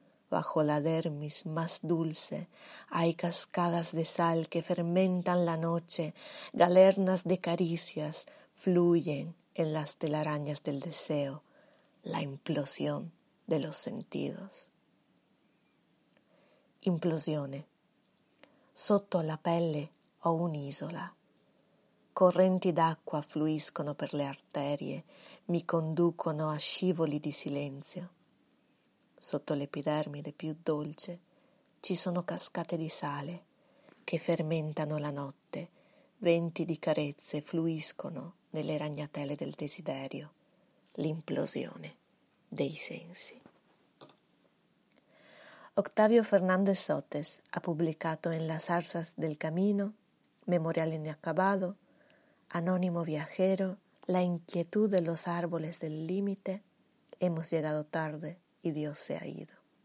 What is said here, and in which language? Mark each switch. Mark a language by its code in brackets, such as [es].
[es] bajo la dermis más dulce. Hay cascadas de sal que fermentan la noche, galernas de caricias fluyen en las telarañas del deseo, la implosión de los sentidos. [it] Implosione. Sotto la pelle ho un'isola. Correnti d'acqua fluiscono per le arterie, mi conducono a scivoli di silenzio. Sotto l'epidermide più dolce ci sono cascate di sale che fermentano la notte, venti di carezze fluiscono nelle ragnatele del desiderio, l'implosione dei sensi. [es] Octavio Fernández Sotes [it] ha pubblicato [es] en Las zarzas del camino, Memorial inacabado, Anónimo viajero, La inquietud de los árboles del límite, Hemos llegado tarde y Dios se ha ido.